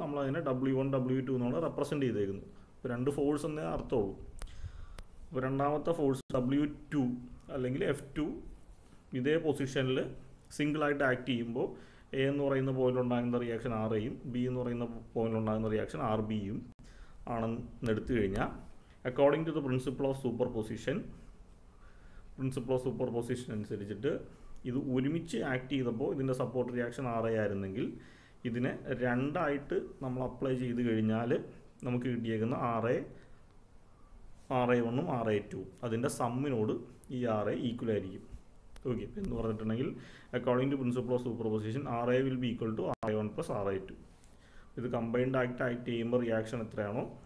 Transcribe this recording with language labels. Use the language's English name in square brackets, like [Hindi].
[Malayalam] നമ്മളതിനെ W1 W2 എന്നാണ് represent ചെയ്തേക്കുന്നത്. ഇപ്പോൾ രണ്ട് ഫോഴ്സ് എന്നേ അർത്ഥമുള്ളൂ. അപ്പോൾ രണ്ടാമത്തെ ഫോഴ്സ് W2 അല്ലെങ്കിൽ F2 ഇതേ പൊസിഷനിൽ സിംഗിളായിട്ട് ആക്ട് ചെയ്യുമ്പോൾ എ എന്ന് പറയുന്ന പോയിൻ്റിലുണ്ടാകുന്ന റിയാക്ഷൻ RAയും ബി എന്ന് പറയുന്ന പോയിൻ്റിലുണ്ടാകുന്ന റിയാക്ഷൻ RBയും ആണെന്ന് എടുത്തു കഴിഞ്ഞാൽ [English] according to the principle of superposition. Principle of superposition and said it. [Tamil] இது ஒருமிச்சு [Malayalam] ஆக்ட் ചെയ്തപ്പോൾ ഇതിന്റെ സപ്പോർട്ട് റിയാക്ഷൻ ആർ ആയിരുന്നെങ്കിൽ ഇതിനെ രണ്ടായിട്ട് നമ്മൾ അപ്ലൈ ചെയ്തു കഴിഞ്ഞാൽ നമുക്ക് കിട്ടിയേക്കുന്ന ആർ എ 1 ഉം ആർ എ 2 ഉം അതിന്റെ സമ്മിനോട് ഈ ആർ എ ഈക്വൽ ആയിരിക്കും ഓക്കേ എന്ന് പറഞ്ഞിട്ടുണ്ടെങ്കിൽ [English] according to principle of superposition R A will be equal to R A 1 plus R A 2 [Malayalam] ഇത് കമ്പൈൻഡ് ആക്ട് ആക്ട് ചെയ്യുമ്പോൾ റിയാക്ഷൻ എത്രയാണോ